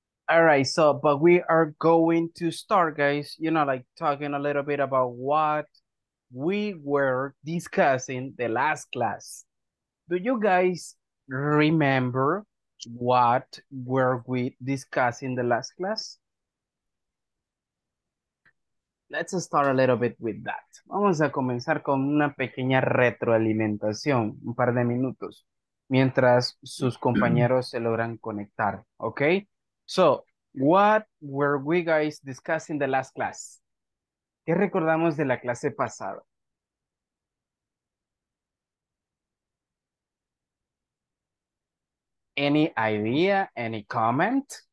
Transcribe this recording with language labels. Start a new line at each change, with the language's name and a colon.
English: All right, so, but we are going to start, guys, you know, like talking a little bit about what we were discussing the last class. Do you guys remember what were we discussing the last class? Let's start a little bit with that.
Spanish: Vamos a comenzar con una pequeña retroalimentación, un par de minutos, mientras sus compañeros se logran conectar, okay?
English: So, what were we guys discussing the last class?
Spanish: ¿Qué recordamos de la clase pasada?
English: Any idea? Any comment?